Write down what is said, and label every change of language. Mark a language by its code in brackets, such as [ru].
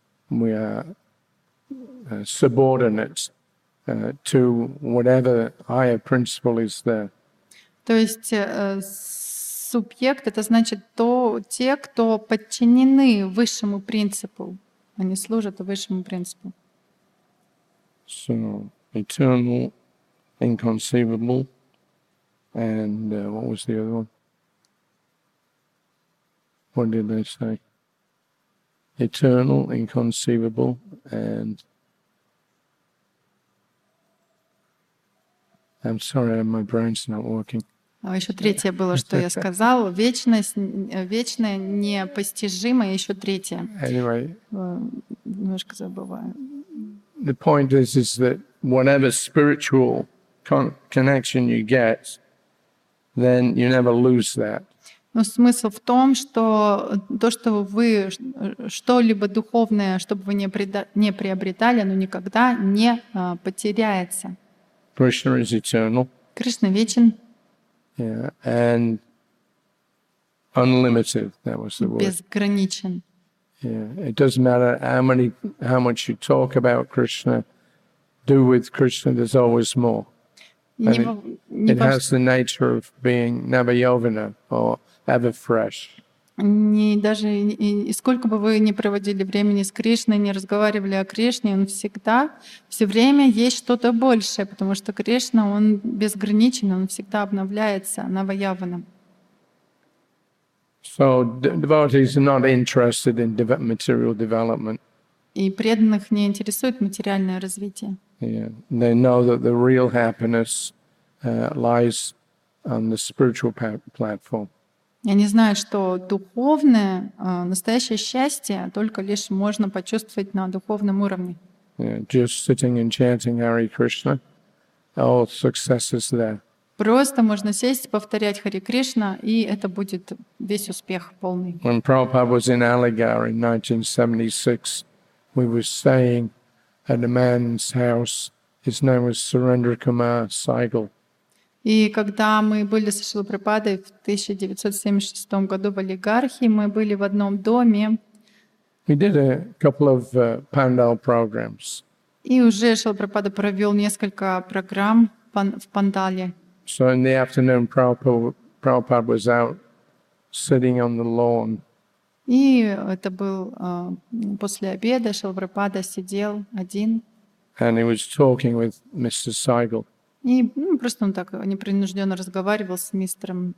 [en] We are subordinate to whatever higher principle is there. [ru] То есть субъект — это значит то, те, кто подчинены высшему принципу. Они служат высшему принципу. [en] So, eternal, inconceivable, and what was the other one? What did they say? Eternal, inconceivable, and... I'm sorry, my brain's not working. [ru] А еще третье было, что я сказал. Вечность, вечное, непостижимое, еще третье. [en] Anyway, [ru] немножко забываю. [en] The point is that whatever spiritual connection you get, then you never lose that. [ru] Но смысл в том, что то, что вы что-либо духовное, чтобы вы не приобретали, оно никогда не потеряется. [en] Krishna is eternal. [ru] Кришна вечен. [en] Yeah, and unlimited, that was the word. [ru] Безграничен. [en] Yeah, it doesn't matter how much you talk about Krishna, do with Krishna, there's always more. It has the nature of being Navayovana or ever fresh. [ru] Даже сколько бы вы ни проводили времени с Кришной, не разговаривали о Кришне, он всегда, все время есть что-то большее, потому что Кришна, он безграничен, он всегда обновляется Навайаваном. [en] So devotees are not interested in material development. [ru] И преданных не интересует материальное развитие. [en] Yeah. They know that the real happiness lies on the spiritual platform. [ru] Они знают, что духовное, настоящее счастье только лишь можно почувствовать на духовном уровне. [en] Yeah, just sitting and chanting Hare Krishna, all success is there. [ru] Просто можно сесть, повторять Хари Кришна, и это будет весь успех полный. [en] When Prabhupada was in Aligarh in 1976, we were staying at a man's house. His name was Surendra Kumar Saigal. [ru] И когда мы были со Шрилой Прабхупадой в 1976 году в Алигархе, мы были в одном доме. [en] We did a couple of Pandal programs. [ru] И уже Шрила Прабхупада провел несколько программ в Пандале. [en] So in the afternoon, Prabhupada was out sitting on the lawn. [ru] И это был после обеда, Шрила Прабхупада сидел один. [en] And he was talking with Mr. Saigal. [ru] И просто он так непринужденно разговаривал с мистером